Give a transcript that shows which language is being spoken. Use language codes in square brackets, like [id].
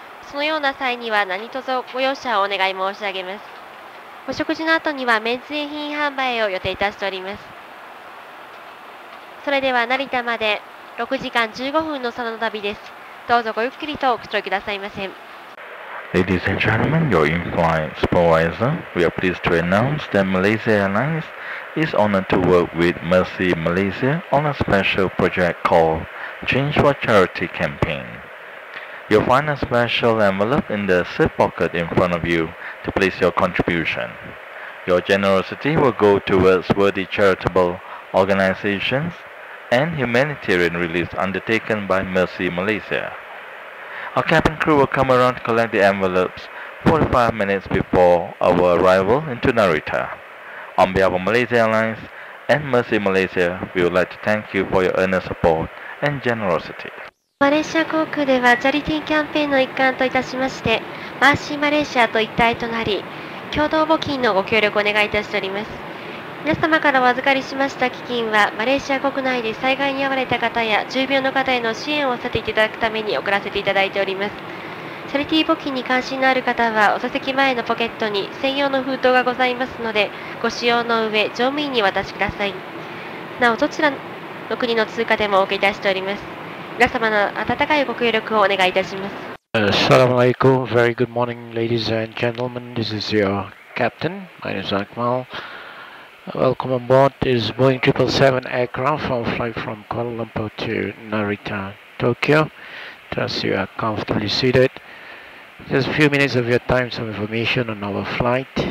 [ja] そのような際には何卒ご容赦をお願い申し上げます。お食事の後には免税品販売を予定いたしております。それでは成田まで6時間15分の空の旅です。どうぞごゆっくりとおくつろぎくださいませ。 [en] Ladies and gentlemen, your in-flight supervisor, we are pleased to announce that Malaysia Airlines is honored to work with Mercy Malaysia on a special project called Change for Charity Campaign. You'll find a special envelope in the slip pocket in front of you to place your contribution. Your generosity will go towards worthy charitable organizations and humanitarian relief undertaken by Mercy Malaysia. Our cabin crew will come around to collect the envelopes 45 minutes before our arrival into Narita. On behalf of Malaysia Airlines and Mercy Malaysia, we would like to thank you for your earnest support and generosity. [ja] マレーシア航空ではチャリティーキャンペーンの一環といたしまして、マーシーマレーシアと一体となり、共同募金のご協力をお願いいたしております。皆様からお預かりしました基金はマレーシア国内で災害に遭われた方や重病の方への支援をさせていただくために送らせていただいております。チャリティー募金に関心のある方はお座席前のポケットに専用の封筒がございますのでご使用の上乗務員にお渡しください。なおどちらの国の通貨でもお受けいたしております。皆様の温かいご協力をお願いいたします。 [ar] Assalamu alaikum, [en] very good morning ladies and gentlemen, this is your captain, my name is Akmal. Welcome aboard this Boeing 777 aircraft on flight from Kuala Lumpur to Narita, Tokyo. Trust you are comfortably seated. Just a few minutes of your time, some information on our flight.